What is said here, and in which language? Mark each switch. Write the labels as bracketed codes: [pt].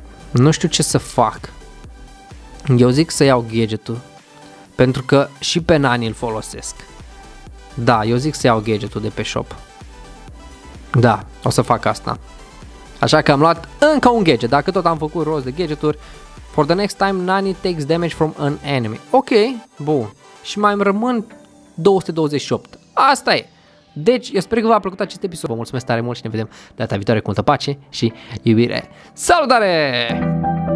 [ro] Nu știu ce să fac. Eu zic să iau gadgetul, pentru că și pe Nani îl folosesc. Da, eu zic să iau gadgetul de pe shop. Da, o să fac asta. Așa că am luat încă un gadget. Dacă tot am făcut rost de gadgeturi. [en] For the next time, Nani takes damage from an enemy. [ro] Ok, bun. Și mai îmi rămân 228. Asta e. Deci, eu sper că v-a plăcut acest episod. Vă mulțumesc tare mult și ne vedem data viitoare cu multă pace și iubire. Salutare!